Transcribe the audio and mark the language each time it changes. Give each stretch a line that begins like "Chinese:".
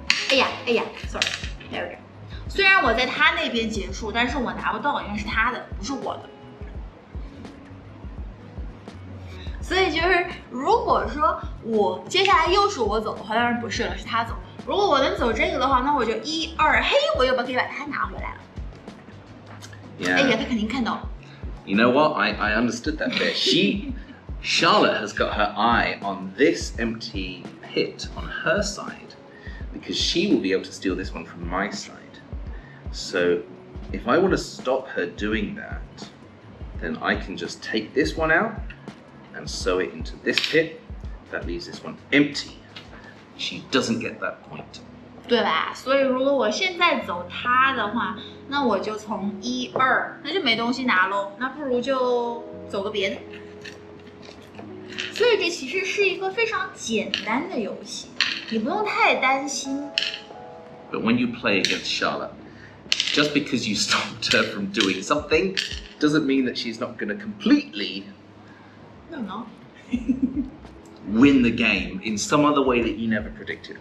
Chinese: 哎呀，哎呀 ，sorry， 没有人。虽然我在他那边结束，但是我拿不到，因为是他的，不是我的。所以就是如果说我接下来又是我走的话，当然不是了，是他走。如果我能走这个的话，那我就一二嘿，我又可以把他拿回来了。
English: Yeah.
Chinese: 哎呀，他肯定看到了。
English: You know what? I understood that bit. She, Charlotte has got her eye on this empty pit on her side because she will be able to steal this one from my side. So if I want to stop her doing that, then I can just take this one out. And sew it into this pit. That leaves this one empty. She doesn't get that point.
Chinese: 对吧？所以如果我现在走他的话，那我就从一二，那就没东西拿喽。那不如就走个别的。所以这其实是一个非常简单的游戏，你不用太担心。
English: But when you play against Charlotte, just because you stopped her from doing something, doesn't mean that she's not going to completely. No. Win the game in some other way that you never predicted.